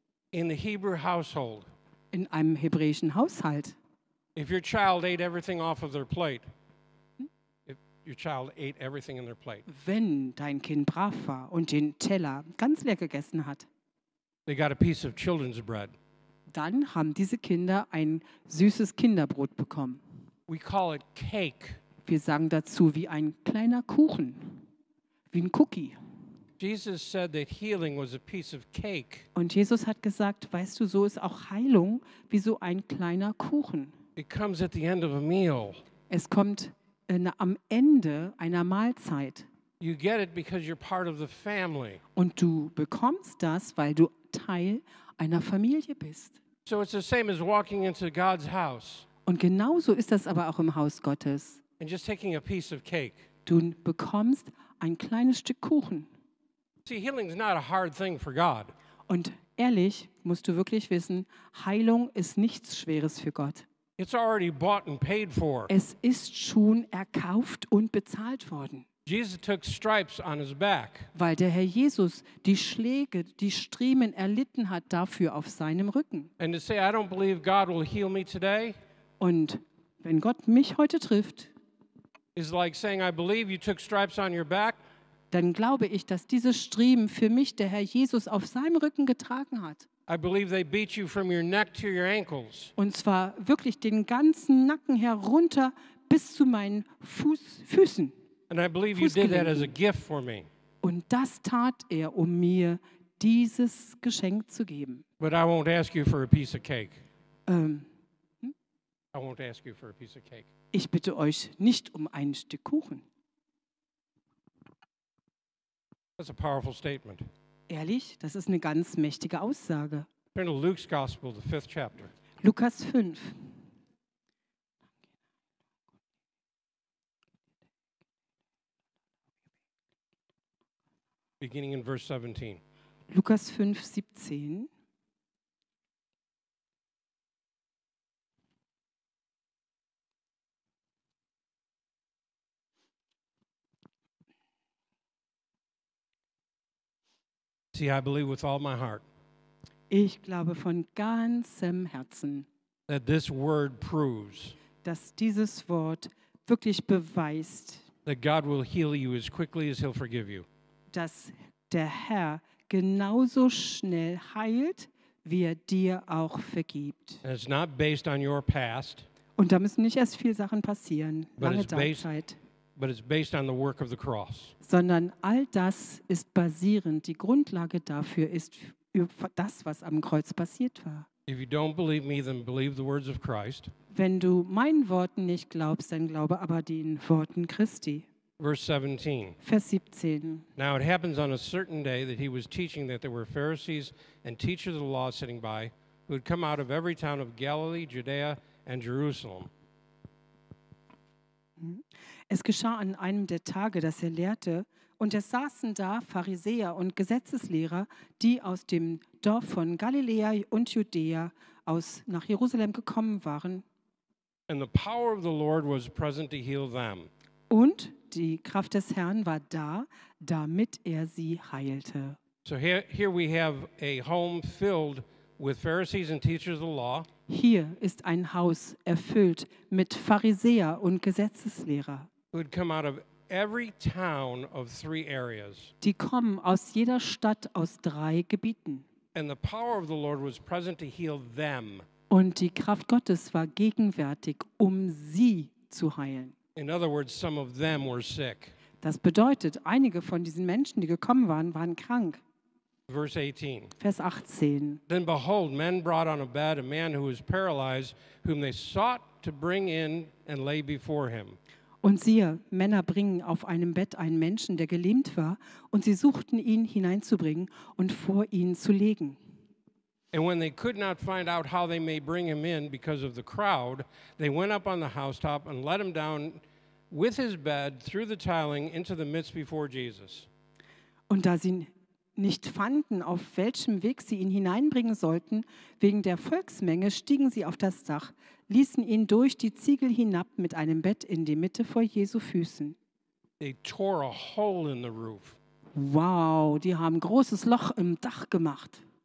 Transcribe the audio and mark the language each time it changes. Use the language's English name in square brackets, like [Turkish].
[English] In the Hebrew household. [German] In einem hebräischen Haushalt. [English] If your child ate everything off of their plate. If your child ate everything in their plate. [German] Wenn dein Kind brav war und den Teller ganz leer gegessen hat. [English] They got a piece of children's bread. [German] Dann haben diese Kinder ein süßes Kinderbrot bekommen. [English] We call it cake. [German] Wir sagen dazu wie ein kleiner Kuchen, wie ein Cookie. [English] Jesus said that healing was a piece of cake. [German] Und Jesus hat gesagt, weißt du, so ist auch Heilung wie so ein kleiner Kuchen. [English] It comes at the end of a meal. [German] Es kommt am Ende einer Mahlzeit. [English] You get it because you're part of the family. [German] Und du bekommst das, weil du Teil einer Familie bist. [English] So it's the same as walking into God's house. [German] Und genauso ist das aber auch im Haus Gottes. [English] And just taking a piece of cake. [German] Du bekommst ein kleines Stück Kuchen. [English] See, healing is not a hard thing for God. [German] Und ehrlich, musst du wirklich wissen, Heilung ist nichts Schweres für Gott. [English] It's already bought and paid for. [German] Es ist schon erkauft und bezahlt worden. [English] Jesus took stripes on his back. [German] Weil der Herr Jesus die Schläge, die Striemen erlitten hat dafür auf seinem Rücken. [English] And to say, I don't believe God will heal me today. [German] Und wenn Gott mich heute trifft, [English] is like saying, I believe you took stripes on your back. [German] Dann glaube ich, dass diese Striemen für mich der Herr Jesus auf seinem Rücken getragen hat. [English] I believe they beat you from your neck to your ankles. [German] Und zwar wirklich den ganzen Nacken herunter bis zu meinen Füßen. [English] And I believe you did that as a gift for me. [German] Und das tat er, um mir dieses Geschenk zu geben. [English] But I won't ask you for a piece of cake. I won't ask you for a piece of cake. [German] Ich bitte euch nicht um ein Stück Kuchen. [English] That's a powerful statement. [German] Ehrlich, das ist eine ganz mächtige Aussage. [English] Turn to Luke's Gospel, the fifth chapter. [German] Lukas 5. [English] Beginning in verse 17. [German] Lukas 5, 17. [English] See, I believe with all my heart. [German] Ich glaube von ganzem Herzen. [English] That this word proves. [German] Dass dieses Wort wirklich beweist. [English] That God will heal you as quickly as he'll forgive you. [German] Dass der Herr genauso schnell heilt, wie er dir auch vergibt. [English] And it's not based on your past. [German] Und da müssen nicht erst viele Sachen passieren, [English] but it's based on the work of the cross. [German] Sondern all das ist basierend, die Grundlage dafür ist das, was am Kreuz passiert war. [English] If you don't believe me, then believe the words of Christ. [German] Wenn du meinen Worten nicht glaubst, dann glaube aber den Worten Christi. [English] Verse 17. [German] Vers 17. [English] Now it happens on a certain day that he was teaching that there were Pharisees and teachers of the law sitting by who had come out of every town of Galilee, Judea and Jerusalem. [German] Es geschah an einem der Tage, dass er lehrte, und es saßen da Pharisäer und Gesetzeslehrer, die aus dem Dorf von Galiläa und Judäa aus nach Jerusalem gekommen waren. [English] And the power of the Lord was present to heal them. [German] Und die Kraft des Herrn war da, damit er sie heilte. [English] So here we have a home filled with Pharisees and teachers of the law. [German] Hier ist ein Haus erfüllt mit Pharisäer und Gesetzeslehrer. [English] Who had come out of every town of three areas. [German] Die kommen aus jeder Stadt aus drei Gebieten. [English] And the power of the Lord was present to heal them. [German] Und die Kraft Gottes war gegenwärtig, um sie zu heilen. [English] In other words, some of them were sick. [German] Das bedeutet, einige von diesen Menschen, die gekommen waren, waren krank. Vers 18. [English] Then behold, men brought on a bed a man who was paralyzed, whom they sought to bring in and lay before him. [German] Und siehe, Männer bringen auf einem Bett einen Menschen, der gelähmt war, und sie suchten ihn hineinzubringen und vor ihn zu legen. [English] And when they could not find out how they may bring him in because of the crowd, they went up on the housetop and let him down with his bed through the tiling into the midst before Jesus. [German] Und da sie nicht fanden, auf welchem Weg sie ihn hineinbringen sollten, wegen der Volksmenge stiegen sie auf das Dach, ließen ihn durch die Ziegel hinab mit einem Bett in die Mitte vor Jesu Füßen. [English] They tore a hole in the roof. [German] Wow, die haben großes Loch im Dach gemacht.